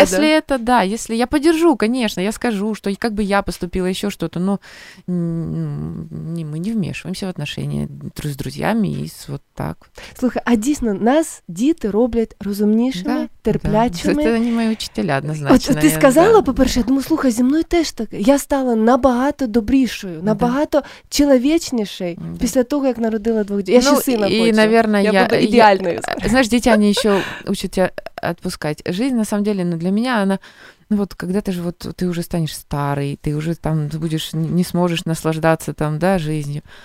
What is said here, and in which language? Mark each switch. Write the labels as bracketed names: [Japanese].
[Russian] Если это, да, если я подержу, конечно, я скажу, что как бы я поступила, еще что-то, но мы не вмешиваемся в отношения с друзьями и вот так. Слушай, а действительно, нас дети роблят разумнейшими, да, терплячими. Да. Это не мои учителя, однозначно. [Ukrainian] От, ты сказала, да, по-перше, я думаю, слушай, зі мною теж так. Я стала набагато добрішою. [Russian] Набагато человечнейшей после того, как народила двух детей. Я еще сына хочу. И, наверное, я буду идеальной. Знаешь, дети, они еще учат тебя отпускать. Жизнь, на самом деле, ну, для меня она... Ну вот, когда ты же, вот, ты уже станешь старый, ты уже там будешь, не сможешь наслаждаться там, да, жизнью.